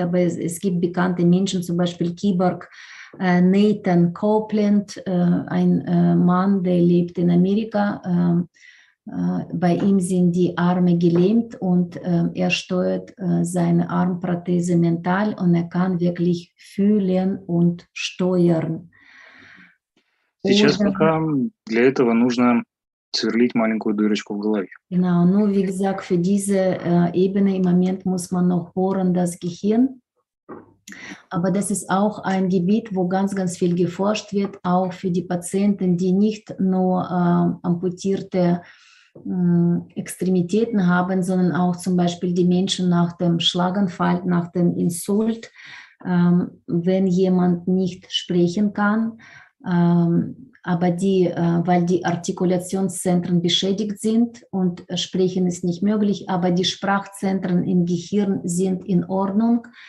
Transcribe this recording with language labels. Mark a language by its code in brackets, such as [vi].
[de] Aber es gibt bekannte Menschen, zum Beispiel Kyborg Nathan Copeland, ein Mann, der lebt in Amerika. Bei ihm sind die Arme gelähmt und er steuert seine Armprothese mental und er kann wirklich fühlen und steuern. [ru] Сейчас пока для этого нужно сверлить маленькую дырочку в голове. [de] Genau, nur wie gesagt, für diese Ebene im Moment muss man noch bohren das Gehirn. Aber das ist auch ein Gebiet, wo ganz, ganz viel geforscht wird, auch für die Patienten, die nicht nur amputierte Extremitäten haben, sondern auch zum Beispiel die Menschen nach dem Schlaganfall, nach dem Insult, wenn jemand nicht sprechen kann, aber die, weil die Artikulationszentren beschädigt sind und Sprechen ist nicht möglich, aber die Sprachzentren im Gehirn sind in Ordnung.